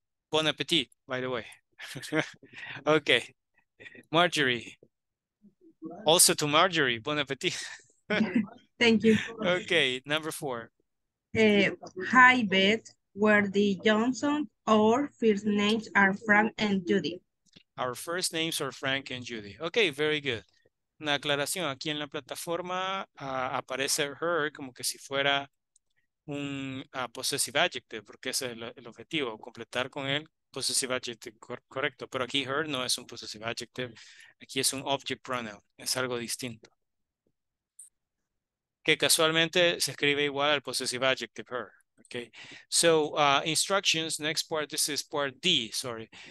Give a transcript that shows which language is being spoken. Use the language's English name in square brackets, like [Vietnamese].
[English] Bon appetit, by the way. Okay, Marjorie. Also to Marjorie, bon appetit. Thank you. Okay, number four. Hi, Beth. Where the Johnson or first names are Frank and Judy? Our first names are Frank and Judy. Okay, very good. [Spanish] Una aclaración, aquí en la plataforma aparece her como que si fuera un possessive adjective, porque ese es el objetivo, completar con el possessive adjective correcto, pero aquí her no es un possessive adjective, aquí es un object pronoun, es algo distinto. Que casualmente se escribe igual al possessive adjective her. [English] Okay, so instructions, next part, this is part D, sorry.